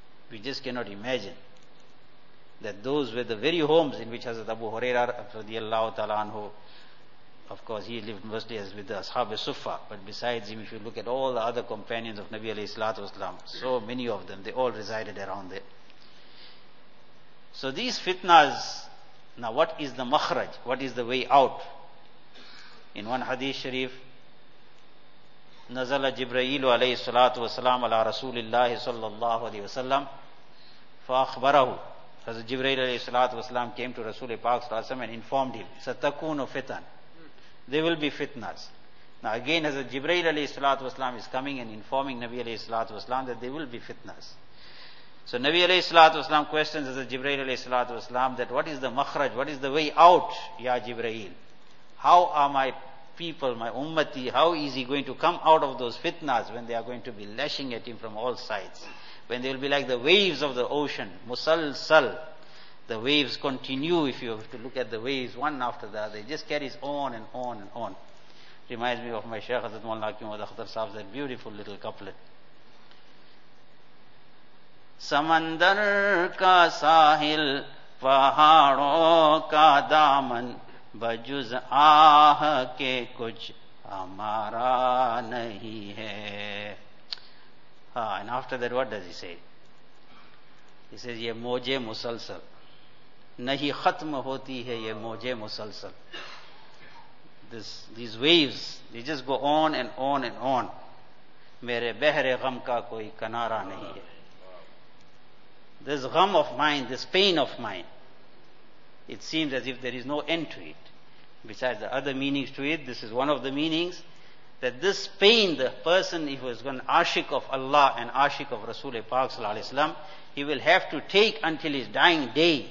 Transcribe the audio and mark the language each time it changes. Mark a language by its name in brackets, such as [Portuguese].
[English] We just cannot imagine that those were the very homes in which Hazrat Abu Hurairah radiallahu ta'ala anhu, of course he lived mostly as with the Ashab-e-Suffa, but besides him, if you look at all the other companions of Nabi alayhi salatu wasalam, so many of them, they all resided around there. So these fitnas, now what is the makhraj? What is the way out? In one hadith sharif, [Arabic] نزل جبرائيل عليه الصلاة والسلام على رسول الله صلى الله عليه وسلم فأخبره. [English] حضرت جبرائيل عليه الصلاة والسلام came to رسول پاک صلى الله عليه وسلم and informed him, [Arabic] ستكون فتن, [English] there will be fitnas. Now again حضرت جبرائيل عليه الصلاة والسلام is coming and informing نبي عليه الصلاة والسلام that there will be fitnas. So Nabi alayhi salatu wasalam questions as a Jibreel alayhi salatu wasalam that what is the makhraj, what is the way out, ya Jibreel? How are my people, my ummati, how is he going to come out of those fitnas when they are going to be lashing at him from all sides? When they will be like the waves of the ocean, musalsal, the waves continue if you have to look at the waves one after the other, it just carries on and on and on. Reminds me of my Shaykh Hazrat Mawlana Hakim Awadh Akhtar Sahib, that beautiful little couplet. [Urdu] سمندر کا ساحل پہاڑوں کا دامن بجز آہ کے کچھ ہمارا نہیں ہے. [English] And after that what does he say? He says [Urdu] یہ موجے مسلسل نہیں ختم ہوتی ہے, یہ موجے مسلسل, [English] these waves, they just go on and on [Urdu] and on, میرے بحر غم کا کوئی کنارہ نہیں ہے. [English] This gham of mine, this pain of mine, it seems as if there is no end to it. Besides the other meanings to it, this is one of the meanings, that this pain, the person who has gone ashik of Allah and ashik of Rasul-e-Pak sallallahu alayhi wa sallam, he will have to take until his dying day.